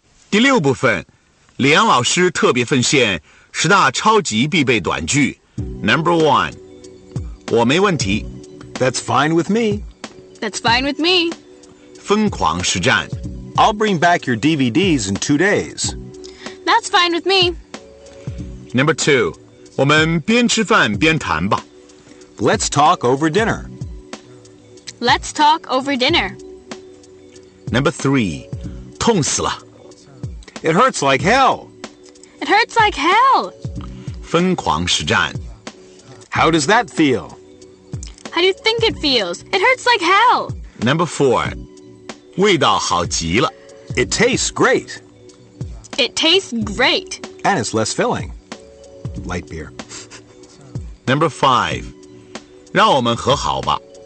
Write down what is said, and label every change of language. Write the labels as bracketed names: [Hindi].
[Chinese] 第六部分，李阳老师特别奉献十大超级必备短句。 [English] Number one, [Chinese] 我没问题。 [English] That's fine with me. That's fine with me. [Chinese] 疯狂实战。 [English] I'll bring back your DVDs in 2 days. That's fine with me. Number two, [Chinese] 我们边吃饭边谈吧。 [English] Let's talk over dinner. Let's talk over dinner. Number three, [Chinese] 痛死了。 [English] It hurts like hell. It hurts like hell. [Chinese] 疯狂实战。 [English] How does that feel? How do you think it feels? It hurts like hell. Number four, [Chinese] 味道好极了。 [English] It tastes great. It tastes great. And it's less filling. Light beer. Number five, [Chinese] 让我们和好吧。